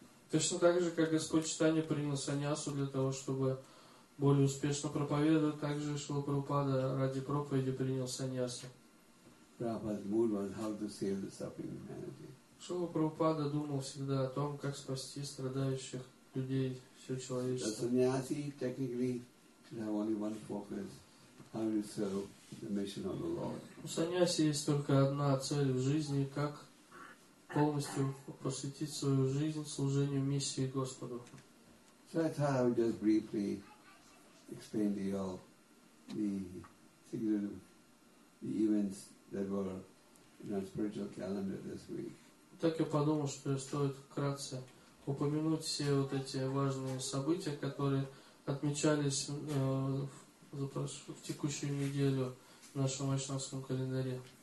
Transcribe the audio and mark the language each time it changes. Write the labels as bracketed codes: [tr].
[ru] Точно так же, как Господь Чайтанья принял саньясу для того, чтобы более успешно проповедовать, так же Шрила Прабхупада ради проповеди принял саньясу. [en] Prabhupada's mood was how to save the suffering humanity. [ru] Шрила Прабхупада думал всегда о том, как спасти страдающих людей, все человечество. [en] The sannyasi technically should have only one focus: how to serve the mission of the Lord. [ru] У саньяси есть только одна цель в жизни: как полностью посвятить свою жизнь служению миссии Господу. [en] So I thought I would just briefly explain to you all the significant events that were in our spiritual calendar this week. [ru] Так я подумал, что стоит вкратце упомянуть все вот эти важные события, которые отмечались в текущую неделю в нашем вайшнавском календаре.